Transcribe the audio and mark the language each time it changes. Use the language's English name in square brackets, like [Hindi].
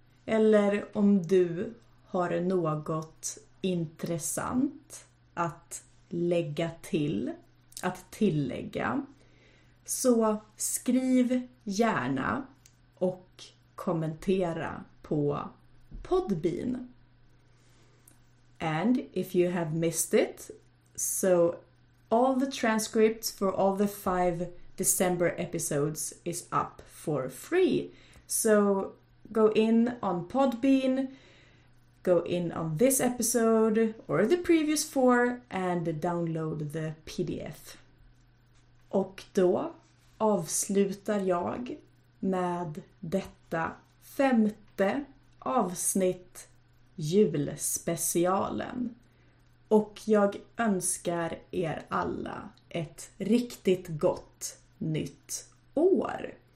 [Swedish] Eller om du har något intressant att lägga till, att tillägga, så skriv gärna och kommentera på Podbean. [English] And if you have missed it, so all the transcripts for all the 5 December episodes is up for free. So go in on Podbean, go in on this episode or the previous 4 and download the PDF. [Swedish] Och då avslutar jag med detta 5:e avsnitt julspecialen. Och jag önskar er alla ett riktigt gott nytt år.